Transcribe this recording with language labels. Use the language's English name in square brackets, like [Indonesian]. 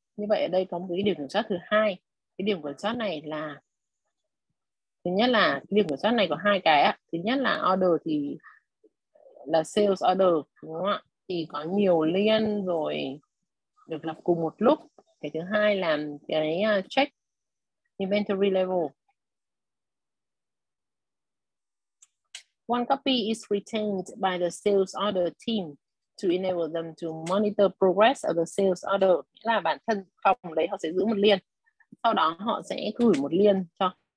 [Vietnamese] Như vậy ở đây có một cái điểm kiểm soát thứ hai. Cái điểm kiểm soát này là thứ nhất là cái điểm kiểm soát này có hai cái ạ. Thứ nhất là order thì là sales order đúng không ạ? Thì có nhiều liên rồi được lập cùng một lúc. Cái thứ hai là cái [English] check inventory level. One copy is retained by the sales order team to enable them to monitor progress of the sales order. [Vietnamese] Nghĩa là bản thân phòng đấy họ sẽ giữ một liên. Sau đó họ sẽ gửi một liên cho.